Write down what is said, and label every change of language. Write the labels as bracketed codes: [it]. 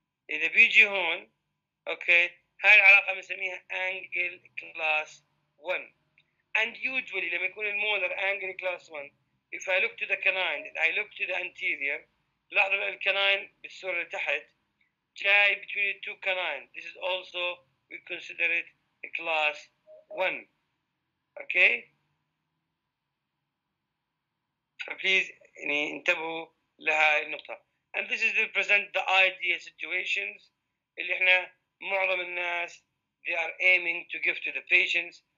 [ar] اذا بيجي هون اوكي هاي العلاقه بنسميها انجل كلاس 1. [en] And usually, لما يكون المولر angle class 1, if I look to the canine, I look to the anterior, [ar] لاحظوا الكناين بالصورة تحت, جاي [en] between the two canine. This is also, we consider it a class 1. Okay? [ar] Please, يعني انتبهوا لهذه النقطة. [en] And this is to present the ideal situations [ar] اللي احنا معظم الناس, [en] they are aiming to give to the patients.